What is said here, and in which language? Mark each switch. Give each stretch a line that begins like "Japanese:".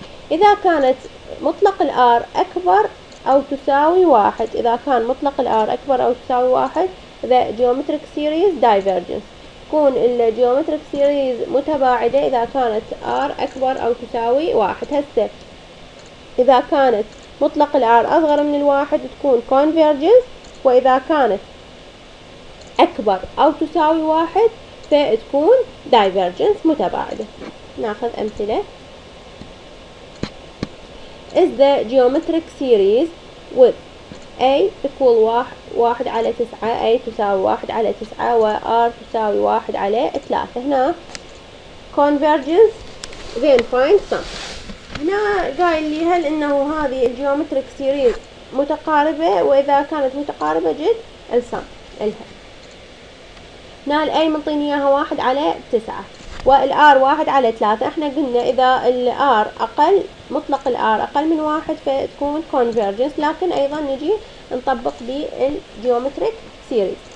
Arabic: اذا كانت مطلق الار اكبر او تساوي واحد، اذا كان مطلق الار اكبر او تساوي واحد ذا جيومتريك سيريز دايفرجنس، تكون الجيومتريك سيريز متباعدة اذا كانت ار اكبر او تساوي واحد. هسه اذا كانت مطلق الار اصغر من الواحد تكون كونفيرجنس، واذا كانت اكبر او تساوي واحد فتكون دايفرجنس متباعدة. ناخذ امثلة.
English: Is the geometric series with a equal 1
Arabic: على 9، a تساوي 1 على 9 و r تساوي 1 على 3. هنا
English: convergence then find sum.
Arabic: هنا قايل لي هل انه هذه الجيومتريك سيريز متقاربة، واذا كانت متقاربة جد السم الها. هنا ال a منطيني اياها 1 على 9 والآر واحد على ثلاثة. احنا قلنا اذا الآر اقل، مطلق الآر اقل من واحد فتكون convergence، لكن ايضا نجي نطبق بالجيومتريك سيريز.